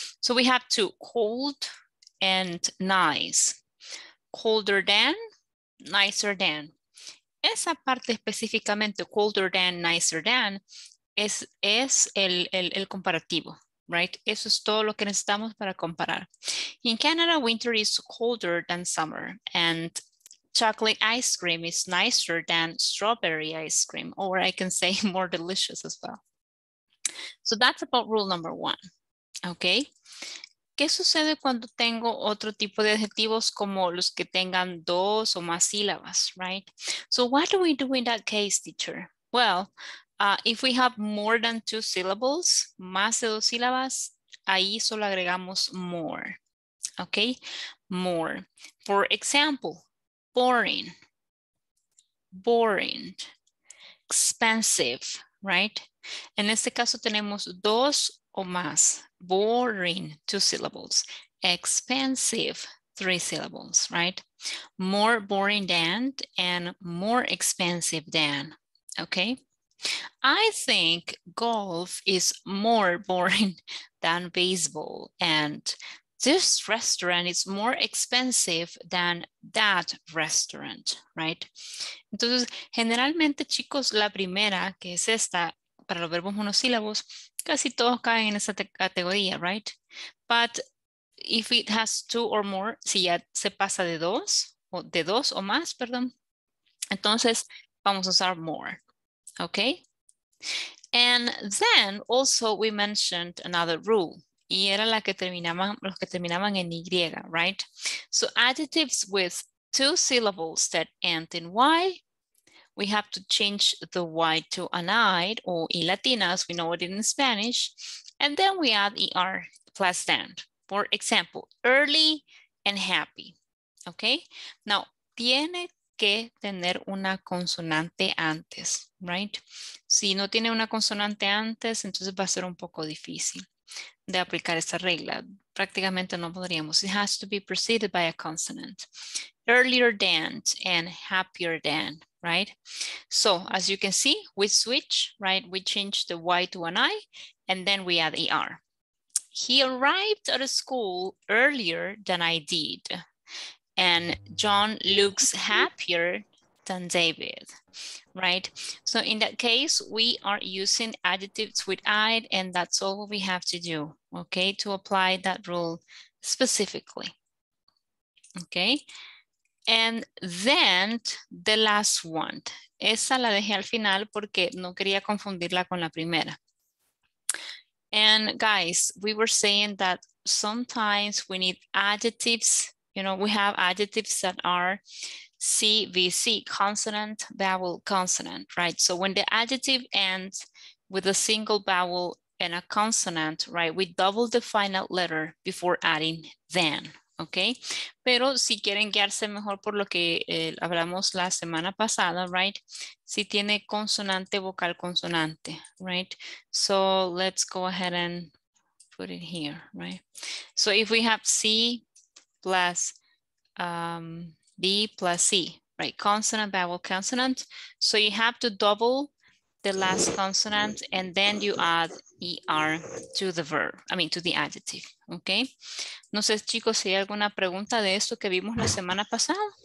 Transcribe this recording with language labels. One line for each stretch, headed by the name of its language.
English: So, we have two, cold and nice. Colder than, nicer than. Esa parte específicamente, colder than, nicer than, es el comparativo, right?
Spanish: Eso es todo lo que necesitamos para comparar.
English: In Canada, winter is colder than summer, and chocolate ice cream is nicer than strawberry ice cream, or I can say more delicious as well. So that's about rule number one, okay?
Spanish: ¿Qué sucede cuando tengo otro tipo de adjetivos como los que tengan dos o más sílabas, right?
English: So what do we do in that case, teacher? Well, if we have more than two syllables, más de dos sílabas, ahí solo agregamos more, okay? More. For example, boring, boring, expensive, right?
Spanish: En este caso tenemos dos o más, boring, two syllables, expensive, three syllables, right?
English: More boring than and more expensive than, okay? I think golf is more boring than baseball, and this restaurant is more expensive than that restaurant, right?
Spanish: Entonces, generalmente, chicos, la primera, que es esta, para los verbos monosílabos, casi todos caen en esa categoría, right? But if it has two or more, si ya se pasa de dos o más, entonces vamos a usar more, okay? And then also we mentioned another rule, y era la que terminaban, los que terminaban en Y, right?
English: So adjectives with two syllables that end in Y, we have to change the Y to an I, or in Latina, as we know it in Spanish, and then we add ER plus than. For example, early and happy, okay?
Spanish: Now, tiene que tener una consonante antes, right? Si no tiene una consonante antes, entonces va a ser un poco difícil de aplicar esta regla.
English: Prácticamente no podríamos. It has to be preceded by a consonant. Earlier than and happier than, right? So as you can see, we switch, right? We change the Y to an I, and then we add ER. He arrived at a school earlier than I did. And John looks happier than David, right? So in that case, we are using adjectives with I, and that's all we have to do, okay? To apply that rule specifically, okay? And then the last one.
Spanish: Esa la dejé al final porque no quería confundirla con la primera.
English: And guys, we were saying that sometimes we need adjectives. You know, we have adjectives that are CVC, consonant, vowel, consonant, right? So when the adjective ends with a single vowel and a consonant, right, we double the final letter before adding then.
Spanish: Okay, pero si quieren guiarse mejor por lo que hablamos la semana pasada, right? Si tiene consonante, vocal, consonante, right?
English: So let's go ahead and put it here, right? So if we have C plus B plus C, right? Consonant, vowel, consonant. So you have to double the last consonant and then you add ER to the verb, I mean to the adjective. Okay.
Spanish: No sé, chicos, si hay alguna pregunta de esto que vimos la semana pasada.